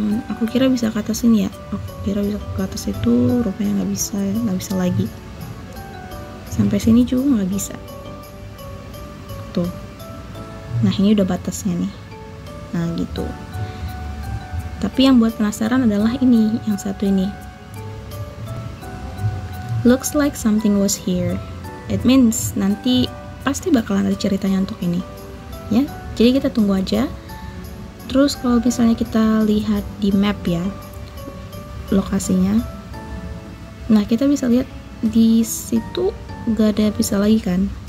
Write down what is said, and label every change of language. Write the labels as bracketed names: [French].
[Indonesian] Aku kira bisa ke atas ini ya, aku kira bisa ke atas itu, rupanya nggak bisa ya, nggak bisa lagi. Sampai sini juga nggak bisa tuh. Nah, ini udah batasnya nih. Nah, gitu. Tapi yang buat penasaran adalah ini, yang satu ini. [English] Looks like something was here. It means [Indonesian] nanti pasti bakalan ada ceritanya untuk ini. Ya, jadi kita tunggu aja. Terus kalau misalnya kita lihat di map ya, lokasinya. Nah, kita bisa lihat di situ gak ada bisa lagi kan.